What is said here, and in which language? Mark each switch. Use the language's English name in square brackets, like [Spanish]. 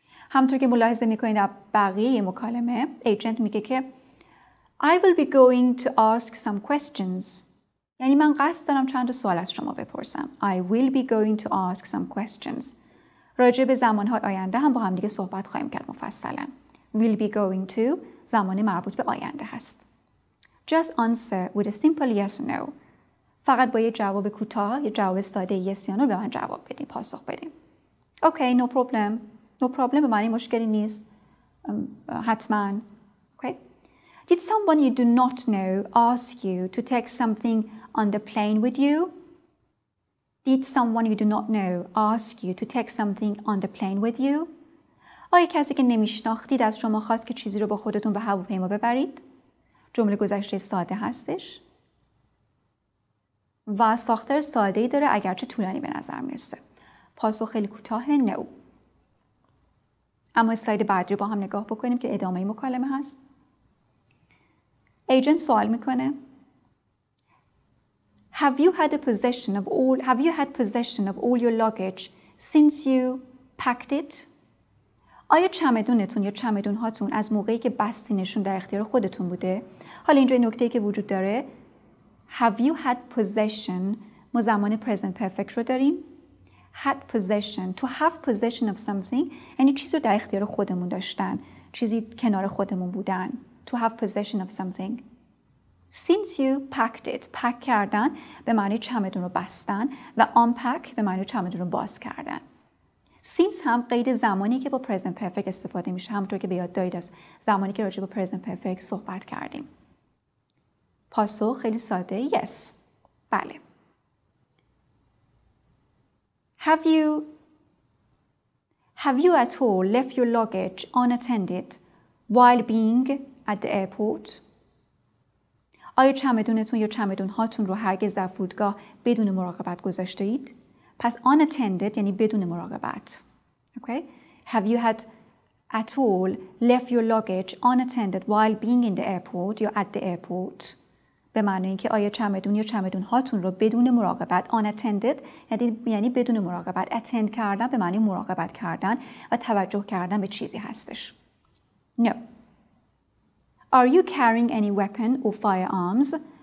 [Persian] همطور که ملاحظه میکنید در بقیه مکالمه ایجنت میگه که [English] I will be going to ask some questions. [Persian] یعنی من قصد دارم چند تا سوال از شما بپرسم. [English] I will be going to ask some questions. [Persian] راجع به زمانهای آینده هم با هم دیگه صحبت خواهیم کرد مفصلا. [English] Will be going to [Persian] زمان مربوط به آینده هست. [English] Just answer with a simple yes or no. [Persian] فقط با یه جواب کوتاه، یه جواب ساده yes یا no به من جواب بدیم، پاسخ بدیم. [English] Okay, no problem. No problem [Persian] به معنی مشکلی نیست. حتما. [English] Okay. Did someone you do not know ask you to take something on the plane with you? Did someone you do not know ask you to take something on the plane with you? [Persian] آیا کسی که نمیشناختید از شما خواست که چیزی رو با خودتون به هواپیما ببرید؟ جمله گذشته ساده هستش. و ساختار ساده‌ای داره اگرچه طولانی به نظر میرسه. پاسخ خیلی کوتاه نو. اما اسلاید بعدی رو با هم نگاه بکنیم که ادامه مکالمه هست. Agent سوال میکنه. [English] Have you had possession of all your luggage since you packed it? [Persian] آیا چمدونتون یا چمدونهاتون از موقعی که بستینشون در اختیار خودتون بوده؟ حالا اینجا نکته ای که وجود داره. [English] Have you had possession؟ [Persian] ما زمان [English] present perfect [Persian] رو داریم. [English] Had possession. To have possession of something. [Persian] یعنی چیز رو در اختیار خودمون داشتن. چیزی کنار خودمون بودن. [English] To have possession of something. Since you packed it. [Persian] Pack کردن به معنی چمدون رو بستن و unpack به معنی چمدون رو باز کردن. Since هم قید زمانی که با present perfect استفاده میشه همونطور که به یاد دارید از زمانی که راجع به present perfect صحبت کردیم. پاسخ خیلی ساده yes. بله. [English] Have you at all left your luggage unattended while being at the airport? [Persian] آیا چمدونتون یا چمدونهاتون رو هرگز در فرودگاه بدون مراقبت گذاشته اید؟ پس unattended یعنی بدون مراقبت. [English] Okay. Have you had at all left your luggage unattended while being in the airport or at the airport? [Persian] به معنی اینکه آیا چمدون یا چمدونهاتون رو بدون مراقبت unattended یعنی بدون مراقبت attend کردن به معنی مراقبت کردن و توجه کردن به چیزی هستش. [English] No. Are you carrying any weapon or firearms?